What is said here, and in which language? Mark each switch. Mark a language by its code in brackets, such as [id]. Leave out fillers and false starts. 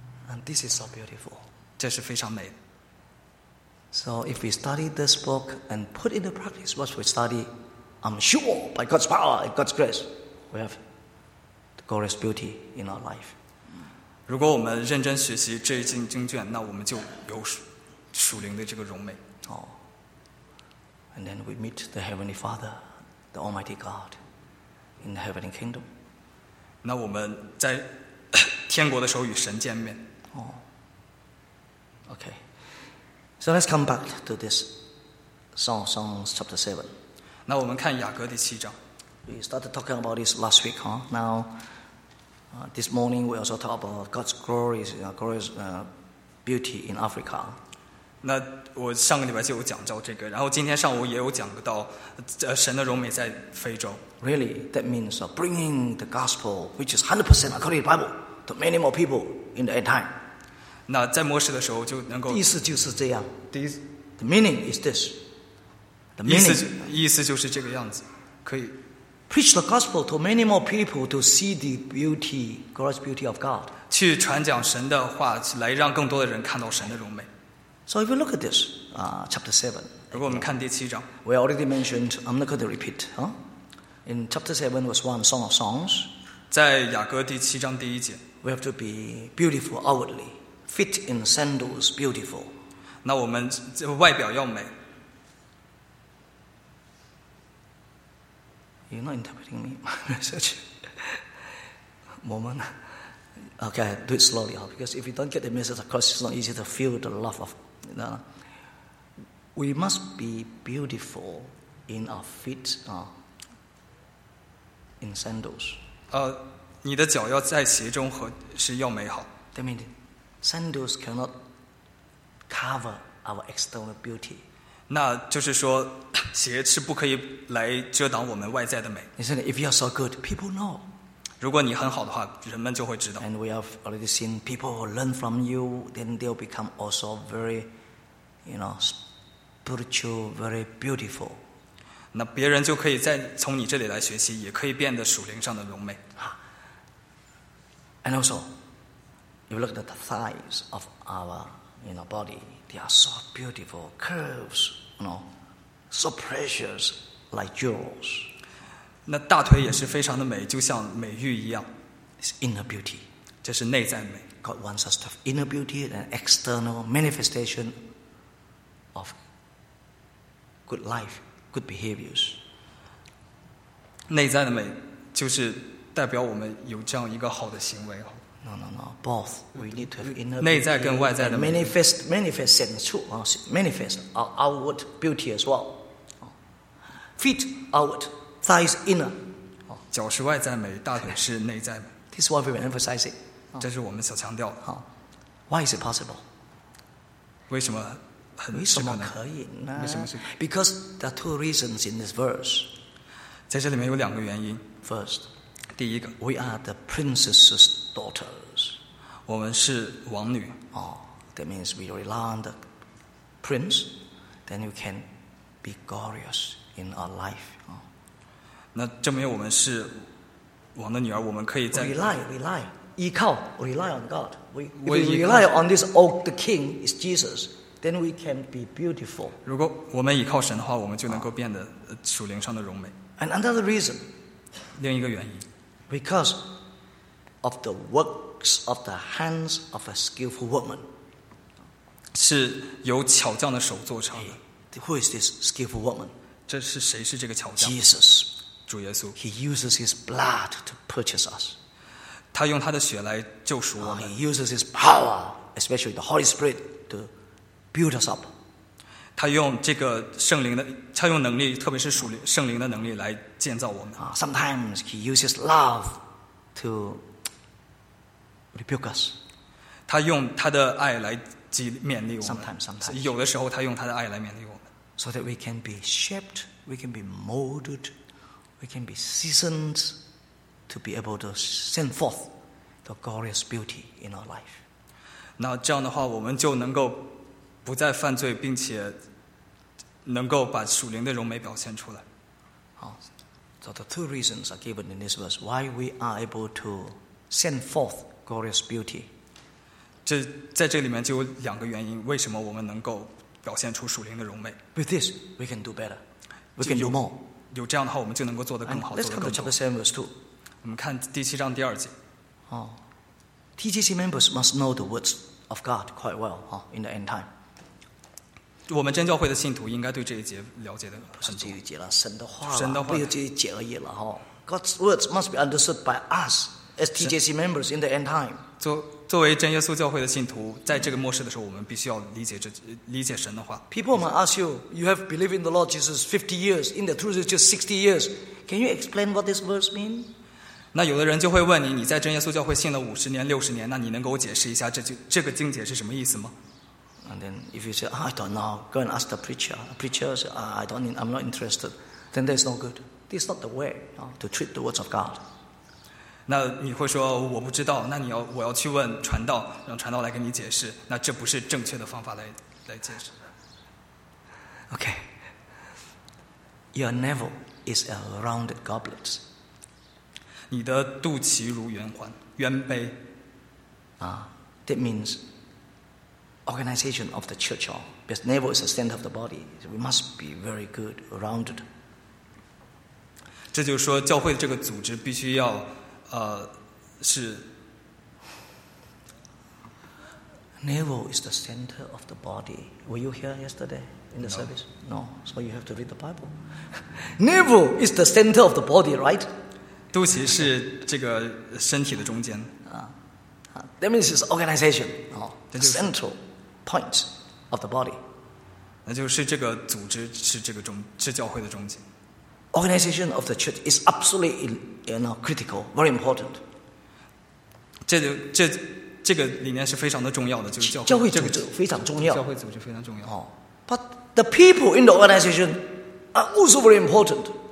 [en] And this is so beautiful. [zh] 这是非常美的。 [en] So if we study this book and put into practice what we study, I'm sure by God's power and God's grace, we have the glorious beauty in our life. [zh] 如果我们认真学习这一经经卷，那我们就有属灵的这个荣美。 [en] And then we meet the Heavenly Father, the Almighty God, in the Heavenly Kingdom. [zh] 那我们在天国的时候与神见面。 [en] Okay, so let's come back to this Song of Songs chapter 7. [zh] 那我们看雅歌第七章。 [en] We started talking about this last week, huh? Now, this morning we also talk about God's glorious beauty in Africa. [zh] 那我上个礼拜就有讲到这个，然后今天上午也有讲到神的荣美在非洲。 [en] Really, that means bringing the gospel, which is 100% according to the Bible, to many more people in the end time. [zh] 那在末世的时候就能够意思就是这样。 [en] The meaning is this. The meaning [zh] 意思就是这个样子，可以 [en] preach the gospel to many more people to see the beauty, glorious beauty of God. [zh] 去传讲神的话，来让更多的人看到神的荣美。 [en] So if you look at this, chapter 7. [zh] 如果我们看第七章 [en] ，We already mentioned. I'm not going to repeat. In chapter 7 was one Song of Songs. [zh] 在雅歌第七章第一节。 [en] We have to be beautiful outwardly, fit in sandals, beautiful. [zh] 那我们外表要美。 [en] You're not interpreting me, my message. Moment. Okay, do it slowly, because if you don't get the message across, it's not easy to feel the love of. You know. We must be beautiful in our feet, in sandals. [zh] 你的脚要在鞋中和是要美好。 [en] That means sandals cannot cover our external beauty. [zh] 那就是说，鞋是不可以来遮挡我们外在的美。 [en] Isn't it? If you are so good, people know. [zh] 如果你很好的话，人们就会知道。 [en] And we have already seen people who learn from you, then they'll become also very, you know, spiritual, very beautiful. [zh] 那别人就可以再从你这里来学习，也可以变得属灵上的柔美。 [en] And also, you look at the thighs of our, you know, body. They are so beautiful, curves, you know, so precious, like jewels. [zh] 那大腿也是非常的美，就像美玉一样。 [en] It's inner beauty. [zh] 这是内在美。 [en] God wants us to have inner beauty and external manifestation of good life, good behaviors. [zh] 内在的美就是。代表我们有这样一个好的行为。 [en] No, no, no. Both. We need to have inner [zh] 内在跟外在的 [en] manifest and true. Manifest our outward beauty as well. Feet outward, thighs inner. [zh] 脚是外在美，大腿是内在美。 [en] This is what we were emphasizing. [zh] 这是我们所强调的。 [en] Why is it possible? [zh] 为什么很为什么可以呢？为什么是 [en] ？Because there are two reasons in this verse. [zh] 在这里面有两个原因。 [en] First. [zh] 第一个 [en] We are the princess's daughters. [zh] 我们是王女。 [en] That means we rely on the prince, then we can be glorious in our life. [zh] 那证明我们是王的女儿，我们可以在 [en] rely on God. We rely on this old the king is Jesus. Then we can be beautiful. [zh] 如果我们依靠神的话，我们就能够变得属灵上的荣美。 [en] And another reason. [zh] 另一个原因。 [en] Because of the works of the hands of a skillful woman, [zh] 是由巧匠的手做成的。 [en] Hey, who is this skillful woman? [zh] 这是谁是这个巧匠 [en] ？Jesus, [zh] 主耶稣。 [en] He uses his blood to purchase us. [zh] 他用他的血来救赎我们。 [en] He uses his power, especially the Holy Spirit, to build us up. [zh] 他用这个圣灵的，他用能力，特别是属灵圣灵的能力来建造我们。 [en] Sometimes he uses love to rebuke us. [zh] 他用他的爱来勉励我们。 [en] Sometimes. [zh] 有的时候他用他的爱来勉励我们。 [en] So that we can be shaped, we can be molded, we can be seasoned to be able to send forth the glorious beauty in our life. [zh] 那这样的话，我们就能够。不再犯罪，并且能够把属灵的荣美表现出来。 [en] 好 ，so the two reasons are given in this verse why we are able to send forth glorious beauty. [zh] 这在这里面就有两个原因，为什么我们能够表现出属灵的荣美 [en] ？With this, we can do better. We can do more. [zh] 有这样的话，我们就能够做得更好。 [en] Let's come to chapter 7, verse 2. [zh] 我们看第七章第二节。 [en] TGC members must know the words of God quite well, in the end time. [zh] 我们真教会的信徒应该对这一节了解的很多。不是这一节了，神的话，神的话不是这一节而已了哈。 [en] God's words must be understood by us as TJC members in the end time. [zh] 作为真耶稣教会的信徒，在这个末世的时候，我们必须要理解神的话。 [en] People might ask you, you have believed in the Lord Jesus 50 years, in the truth is just 60 years. Can you explain what this verse means? [zh] 那有的人就会问你，你在真耶稣教会信了50年、60年，那你能给我解释一下这个经节是什么意思吗？ [en] And then if you say,I don't know, go and ask the preacher. The preacher says,I'm not interested. Then that's no good. This is not the way, to treat the words of God. [zh] 那你会说我不知道，那你要我要去问传道，让传道来跟你解释，那这不是正确的方法来解释。 [en] Okay. Your navel is a rounded goblet. [zh] 你的肚脐如圆环，圆杯。 [en] That means,organization of the church, because navel is the center of the body, we must be very good, rounded. [zh] 这就是说教会的这个组织必须要是 [en] Navel is the center of the body. Were you here yesterday in the service? No. So you have to read the Bible. Navel is the center of the body, right? [zh] 肚脐是这个身体的中间。 [en] That means it's organization. The central point of the body. [zh] 那就是这个组织是这个中是教会的中心。 [en] Organization of the church is absolutely you know, critical, very important. [zh] 这个理念是非常的重要的，就是教会组织非常重要。教会组织非常重要。 [en] But the people in the organization are also very important.